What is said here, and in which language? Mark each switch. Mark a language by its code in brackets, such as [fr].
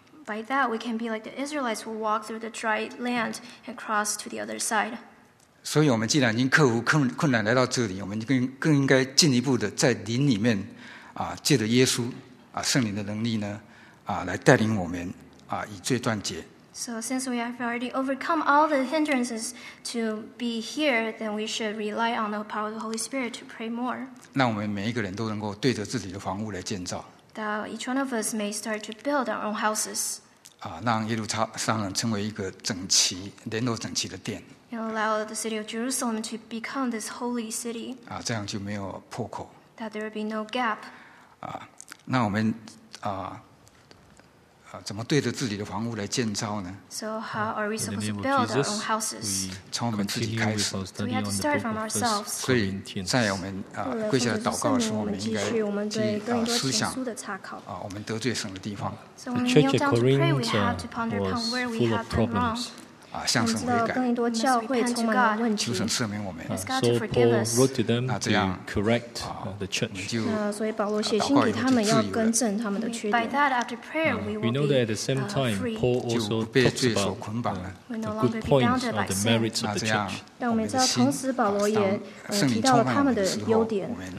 [en] by that we can be like the Israelites who walk through the dry land and cross to the other side. [zh] 所以我们既然已经克服困难来到这里，我们更应该进一步的在灵里面啊，借着耶稣啊圣灵的能力呢啊，来带领我们啊，以罪断绝。 [en] So since we have already overcome all the hindrances to be here, then we should rely on the power of the Holy Spirit to pray more. [zh] 让我们每一个人都能够对着自己的房屋来建造。 [en] That each one of us may start to build our own houses. [zh] 啊，让耶路撒冷成为一个整齐、联络整齐的殿。 [en] And allow the city of Jerusalem to become this holy city. [zh] 啊，这样就没有破口。 [en] That there will be no gap. [zh] 啊，那我们啊。怎么对着自己的房屋来建造呢 [en] ？So how are we supposed to build our own houses？ [zh] 从我们自己开始。 [en] So we have to start from ourselves。 [zh] 所以，在我们啊跪下来祷告的时候，我们应该去啊思想啊我们得罪神的地方。 [en] So when we kneel down to pray, we have to ponder upon where we have done wrong。 [zh] 啊，向神悔改。更多教会充满了问题。求神赦免我们。 [en] So Paul wrote to them to correct the church. [zh] 所以保罗写信给他们，要更正他们的缺点。 [en] By that, after prayer, we will be free. We know that at the same time, Paul also talks about the good points or the merits of the church. [zh] 但我们知道，同时保罗也提到了他们的优点。